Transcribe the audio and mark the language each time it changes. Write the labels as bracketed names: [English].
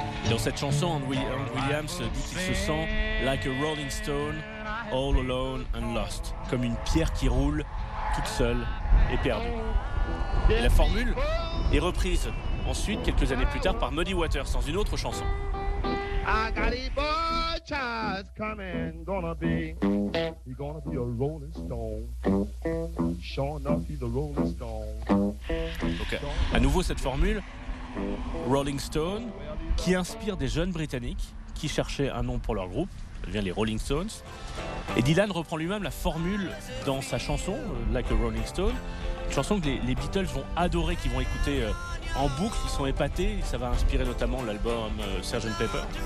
[French] Dans cette chanson, Hank Williams dit qu'il se sent « [English] like a rolling stone, all alone and lost [French] », comme une pierre qui roule, toute seule et perdue. Et la formule est reprise ensuite, quelques années plus tard, par Muddy Waters dans une autre chanson. [English] I got a boy child coming, gonna be a rolling stone, sure enough he's a rolling stone. Okay. [French] À nouveau cette formule, Rolling Stone, qui inspire des jeunes britanniques qui cherchaient un nom pour leur groupe, ça devient les Rolling Stones. Et Dylan reprend lui-même la formule dans sa chanson Like a Rolling Stone, une chanson que les Beatles vont adorer, qu'ils vont écouter en boucle, ils sont épatés, ça va inspirer notamment l'album Sgt Pepper.